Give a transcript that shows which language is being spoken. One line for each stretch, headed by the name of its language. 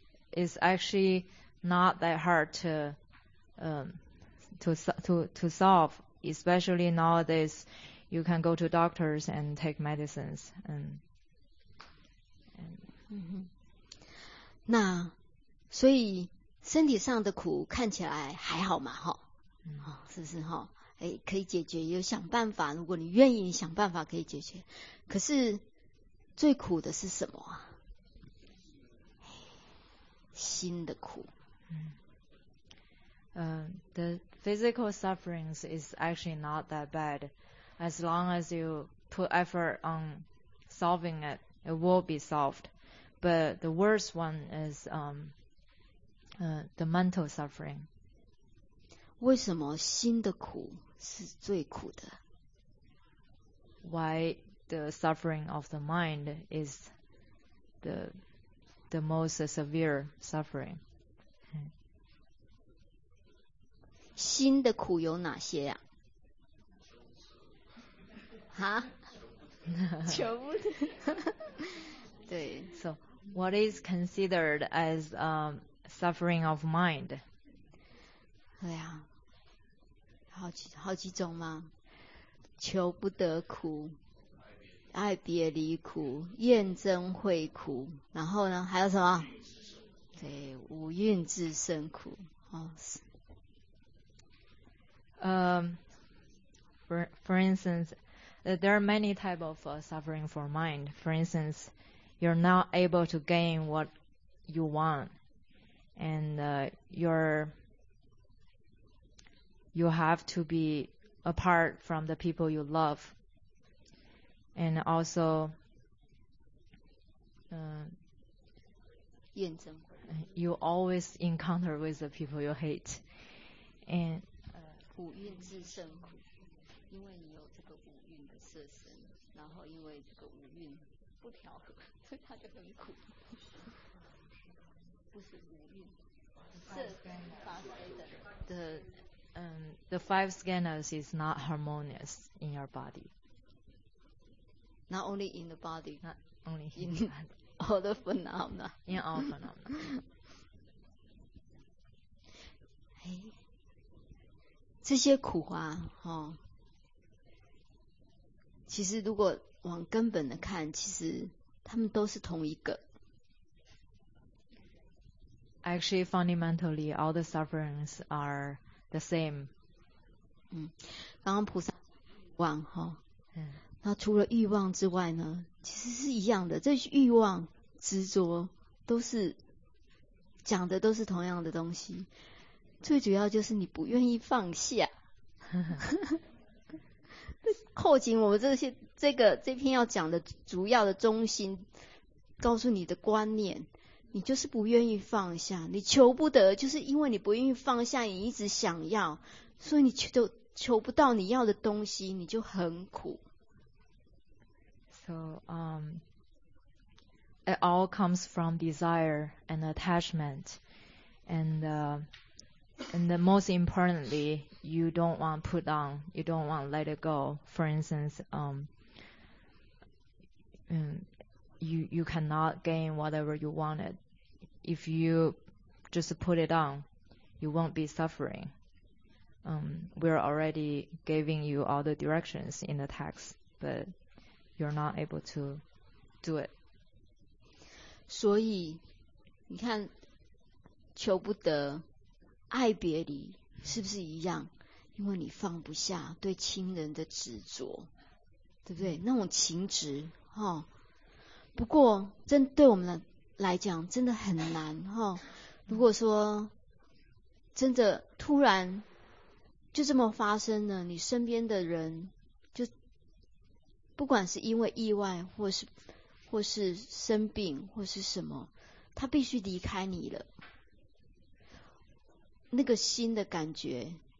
English: It's actually not that hard to solve, especially nowadays. You can go to doctors and take medicines. And
Chinese: 那所以身体上的苦看起来还好嘛？哈，是不是哈？哎，可以解决，有想办法。如果你愿意，你想办法可以解决。可是最苦的是什么啊？心的苦。
English: The physical sufferings is actually not that bad. As long as you put effort on solving it, it will be solved. But the worst one is the mental suffering.
Chinese: 为什么心的苦是最苦的？
English: Why the suffering of the mind is the most severe suffering?
Chinese: 心的苦有哪些啊？哈？全部的。对。
English: So, what is considered as suffering of mind?
Chinese: 对啊。好几种吗？求不得苦，爱别离苦，厌憎会苦，然后呢还有什么？对，五蕴自生苦。
English: For instance, there are many types of suffering for mind. For instance, you're not able to gain what you want, and you have to be apart from the people you love, and also
Chinese: 厌憎,
English: you always encounter with the people you hate, and
Chinese: 五蕴自生苦，因为你有这个五蕴的色身，然后因为这个五蕴不调和，所以它就很苦。不是五蕴，色身发挥的。
English: The five skandhas is not harmonious in your body. Not only in the body. Not only in the body. All the phenomena. In all phenomena.
Chinese: 这些苦啊，其实如果往根本的看，其实他们都是同一个。
English: Actually, fundamentally, all the sufferings are the same.
Chinese: 刚刚菩萨望哈，那除了欲望之外呢，其实是一样的。这欲望、执着都是讲的，都是同样的东西。最主要就是你不愿意放下。后景我们这篇要讲的主要的中心，告诉你的观念，你就是不愿意放下，你求不得，就是因为你不愿意放下，你一直想要，所以你求不到你要的东西，你就很苦。
English: So, it all comes from desire and attachment, and the most importantly, you don't want to put down, you don't want to let it go. For instance, you cannot gain whatever you wanted. If you just put it on, you won't be suffering. We're already giving you all the directions in the text, but you're not able to do it.
Chinese: 所以你看求不得爱别离是不是一样，因为你放不下对亲人的执着，对不对？那种情执、哦、不过真对我们来讲真的很难、哦、如果说真的突然就这么发生了，你身边的人就不管是因为意外或是生病或是什么，他必须离开你了，那个心的感觉、